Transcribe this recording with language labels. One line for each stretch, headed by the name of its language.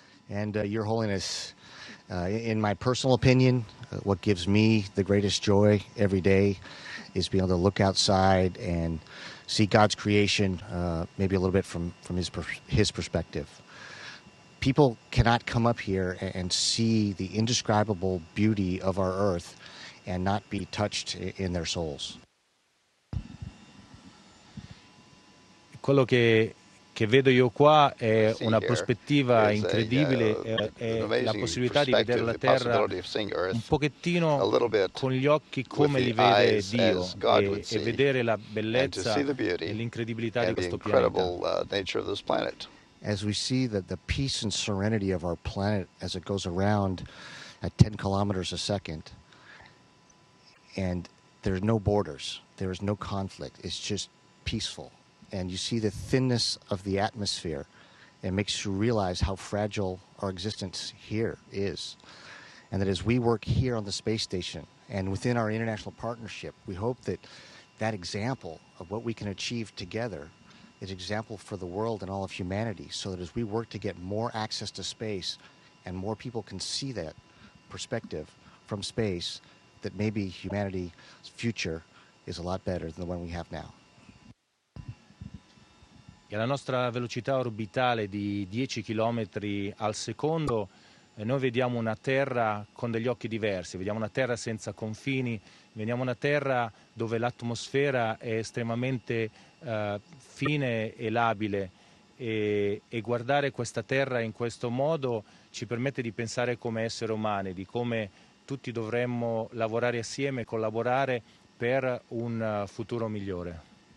English: And Your Holiness, in my personal opinion, what gives me the greatest joy every day is being able to look outside and see God's creation, maybe a little bit from his perspective. People cannot come up here and see the indescribable beauty of our earth and not be touched in their souls.
Italian: Quello che vedo io qua è una prospettiva incredibile, è la possibilità di vedere la Terra un pochettino con gli occhi come li vede Dio e vedere la bellezza e l'incredibilità di questo pianeta.
English: As we see the peace and serenity of our planet as it goes around at 10 kilometers a second and there's no borders, there is no conflict, it's just peaceful. And you see the thinness of the atmosphere, it makes you realize how fragile our existence here is. And that as we work here on the space station and within our international partnership, we hope that that example of what we can achieve together is an example for the world and all of humanity, so that as we work to get more access to space and more people can see that perspective from space, that maybe humanity's future is a lot better than the one we have now.
Italian: E alla nostra velocità orbitale di 10 km al secondo noi vediamo una Terra con degli occhi diversi, vediamo una Terra senza confini, vediamo una Terra dove l'atmosfera è estremamente fine e labile e guardare questa Terra in questo modo ci permette di pensare come esseri umani, di come tutti dovremmo lavorare assieme, collaborare per un futuro migliore.